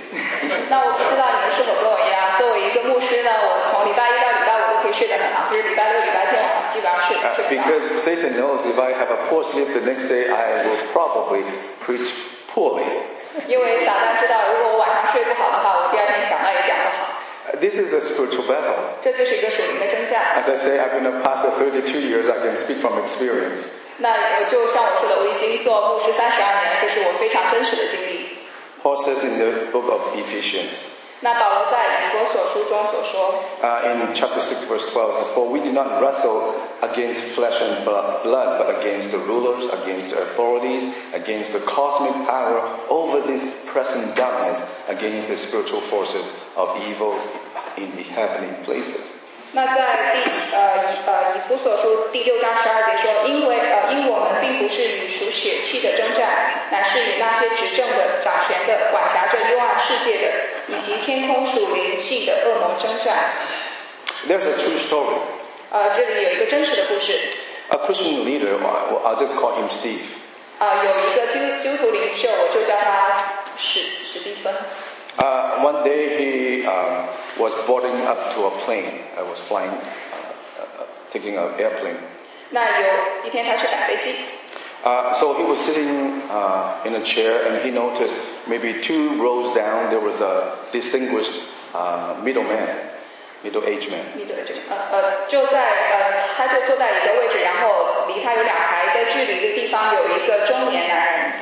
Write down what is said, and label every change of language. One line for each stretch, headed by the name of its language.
Chinese: 那我不知道你是否跟我一样，作为一个牧师呢，我从礼拜一到礼拜五都可以睡得很好，就是礼拜六、礼拜天晚上基本上睡不着。
English: Because Satan knows if I have a poor sleep the next day, I will probably preach poorly.
Chinese: 因为撒旦知道，如果我晚上睡不好的话，我第二天讲到也讲不好。
English: This is a spiritual battle.
Chinese: 这就是一个属灵的征战。
English: As I say, I've been a pastor 32 years. I can speak from experience.
Chinese: 那就像我说的，我已经做牧师32年了，这是我非常真实的经历。
English: Paul says in the book of Ephesians.
Chinese: 那保罗在以弗所书中所说。
English: In chapter 6 verse 12 says, For we do not wrestle against flesh and blood, but against the rulers, against the authorities, against the cosmic power over this present darkness, against the spiritual forces of evil in the heavenly places.
Chinese: 那在以弗所书第6章12节说，因我们并不是与属血气的征战，乃是与那些执政的、掌权的、管辖着幽暗世界的，以及天空属灵系的恶魔征战。
English: There's a true story.
Chinese: 这里有一个真实的故事。
English: A Christian leader, I'll just call him Steve.
Chinese: 有一个基督徒领袖，我就叫他史蒂芬。
English: One day he was boarding up to a plane. I was flying, taking an airplane.
Chinese: 那有一天他去赶飞机。
English: So he was sitting in a chair and he noticed maybe 2 rows down there was a distinguished middle-aged man.
Chinese: 就在他就坐在一个位置，然后离他有2排的距离的地方有一个中年男人。